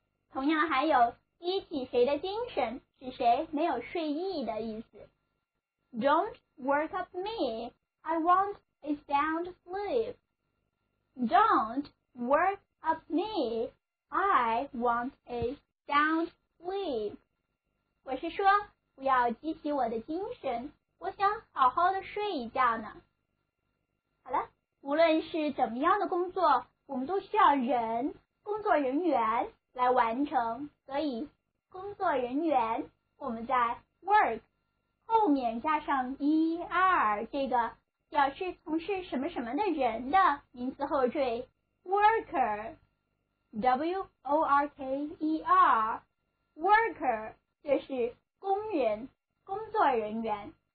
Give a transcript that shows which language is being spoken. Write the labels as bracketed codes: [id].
[zh] 同样还有激起谁的精神，使谁没有睡意的意思。 [en] Don't work up me, I want a sound sleep. Don't work up me, I want a sound sleep. [zh] 我是说，不要激起我的精神，我想好好的睡一觉呢。好了，无论是怎么样的工作，我们都需要人，工作人员。来完成，所以工作人员我们在 work 后面加上 er 这个表示从事什么什么的人的名词后缀 worker w-o-r-k-e-r worker 就是工人工作人员。